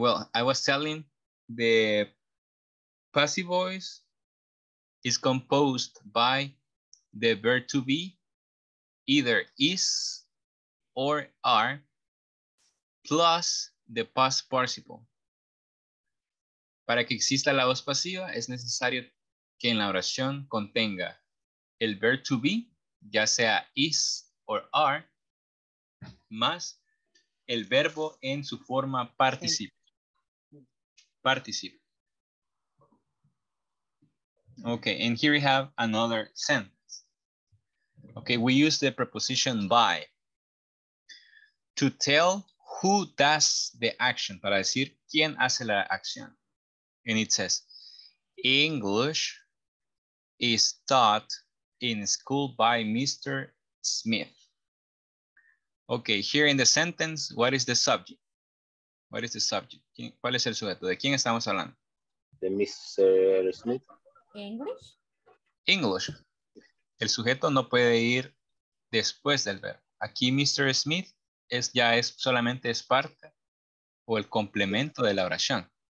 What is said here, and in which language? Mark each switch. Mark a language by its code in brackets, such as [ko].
[en] Well, I was telling the passive voice is composed by the verb to be, either is or are, plus the past participle. [es] Para que exista la voz pasiva, es necesario que en la oración contenga el verb to be, ya sea [en] is or are, [es] más el verbo en su forma participe. Participe. [en] Okay, and here we have another sentence. Okay, we use the preposition by to tell who does the action, [es] para decir quién hace la acción. [en] And it says, English is taught in school by Mr. Smith. Okay, here in the sentence, what is the subject? What is the subject? [es] ¿Cuál es el sujeto? ¿De quién estamos hablando? De Mr. Smith. [en] English. English. [es] El sujeto no puede ir después del verbo. Aquí Mr. Smith es, ya es solamente es parte o el complemento de la oración.